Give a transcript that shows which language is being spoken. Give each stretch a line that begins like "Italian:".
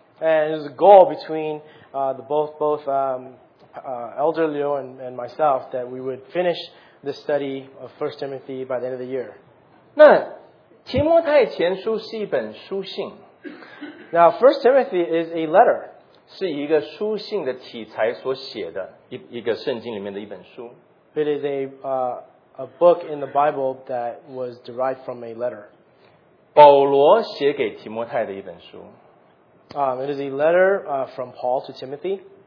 English: And it was a goal between Elder Liu and myself that we would finish the study of 1 Timothy by the end of the year.
Chinese: 那提摩太前书是一本书信。
English: Now, 1 Timothy is a letter.
Chinese: 是一个书信的体裁所写的一个圣经里面的一本书。
English: It is a book in the Bible that was derived from a letter.
Chinese: 保罗写给提摩太的一本书。
English: It is a letter from Paul to Timothy.